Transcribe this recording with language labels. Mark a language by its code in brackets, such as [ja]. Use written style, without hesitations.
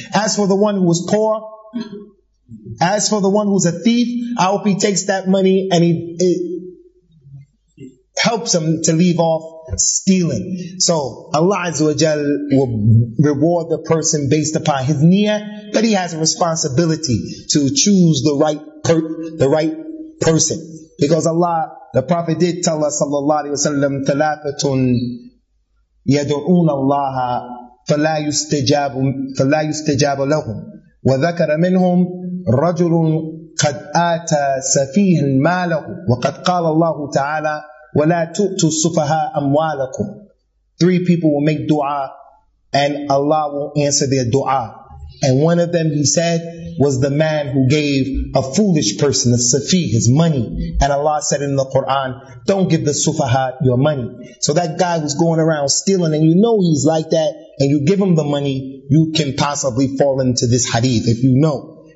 [en] As for the one who was poor, as for the one who's a thief, I hope he takes that money and it helps him to leave off stealing. So Allah Azza wa Jal will reward the person based upon his niyyah, but he has a responsibility to choose the right person. Because Allah, the Prophet did tell us, sallallahu alayhi wa sallam, [ar] ثَلَاثَةٌ يَدْعُونَ اللَّهَ فَلَا يُسْتَجَابُ لَهُمْ وَذَكَرَ مِنْهُمْ رَجُلٌ قَدْ آتَى سَفِيهٍ مَالَهُ وَقَدْ قَالَ اللَّهُ تَعَالَى وَلَا تُؤْتُوا السُّفَهَا أَمْوَالَكُمْ. [en] Three people will make dua and Allah will answer their dua. And one of them, he said, was the man who gave a foolish person, a safi, his money. And Allah said in the Quran, don't give the sufaha your money. So that guy who's going around stealing, and you know he's like that, and you give him the money, you can possibly fall into this hadith, if you know.